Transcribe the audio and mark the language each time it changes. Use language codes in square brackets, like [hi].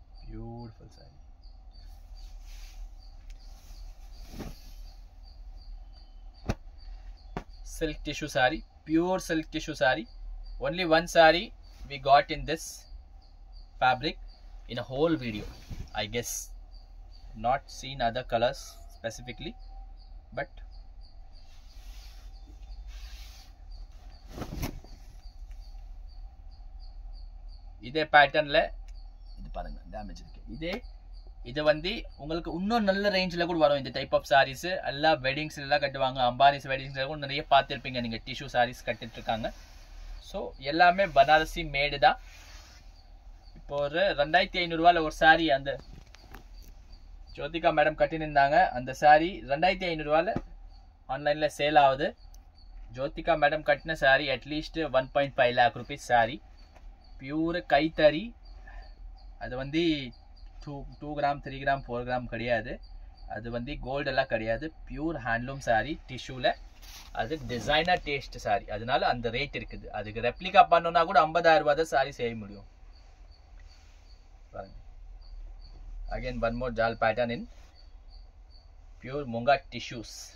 [en] Beautiful sari, silk tissue sari, pure silk tissue sari. Only one sari we got in this fabric in a whole video. I guess not seen other colors specifically, but [ta] இதே பேட்டர்ன்ல இது பாருங்க damage இருக்கு. இதே இது வந்து உங்களுக்கு இன்னும் நல்ல ரேஞ்சில் கூட வரும். இந்த டைப் ஆஃப் சாரீஸ் எல்லாம் வெட்டிங்ஸ்ல எல்லாம் கட்டுவாங்க. அம்பானிஸ் வெட்டிங்ஸ்ல கூட நிறைய பார்த்துருப்பீங்க நீங்கள், டிஷ்யூ சாரீஸ் கட்டிட்டு இருக்காங்க. ஸோ எல்லாமே பனாரசி மேடு தான். இப்போ ஒரு 2500 ரூபாயில் ஒரு சாரி அந்த ஜோதிகா மேடம் கட்டினிருந்தாங்க. அந்த சாரீ 2500 ரூபாயில் ஆன்லைனில் சேல் ஆகுது. ஜோதிகா மேடம் கட்டின sorry at least 1.5 lock rupees sorry. Pure கைத்தறி. அது வந்து 2 கிராம் 3 கிராம் 4 கிராம் கிடையாது. அது வந்து கோல்டெல்லாம் கிடையாது. Pure handloom sari டிஷ்யூவில். அது டிசைனர் டேஸ்ட் சாரி, அதனால அந்த ரேட் இருக்குது. அதுக்கு ரெப்ளிகா பண்ணோன்னா கூட 50000 ரூபாய் தான் சாரி செய்ய முடியும். [en] Again, one more jal pattern in pure munga tissues.